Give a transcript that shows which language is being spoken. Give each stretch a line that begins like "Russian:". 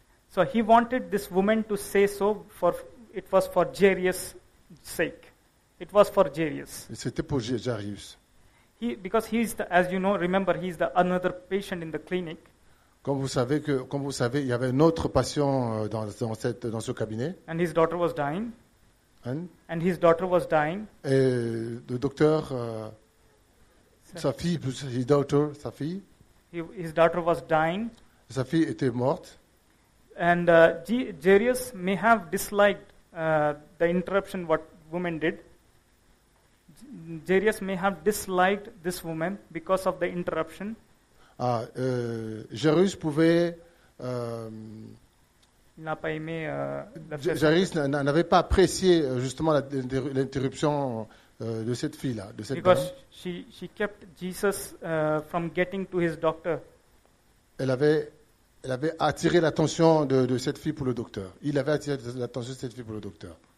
English: So he wanted this woman to say so for. It was for Jairus' sake. It was for Jairus.
French: C'était pour Jairus.
English: Because he is, as you know, remember, he's another patient in the clinic.
French: Comme vous savez, il y avait un autre patient dans ce cabinet.
English: And his daughter was dying. And his daughter was dying.
French: Et le docteur sa fille,
English: his daughter,
French: sa fille.
English: His daughter was dying.
French: Sa fille était morte.
English: And Jairus may have disliked the interruption what woman did. Jairus may have disliked this woman because of the interruption.
French: Jairus pouvait. Il n'a pas aimé. Jairus n'avait pas apprécié justement l'interruption de cette fille là, de cette dame.
English: Because she kept Jesus from getting to his doctor.
French: Elle avait attiré l'attention de cette fille pour le docteur. Il avait attiré l'attention de cette fille pour le docteur.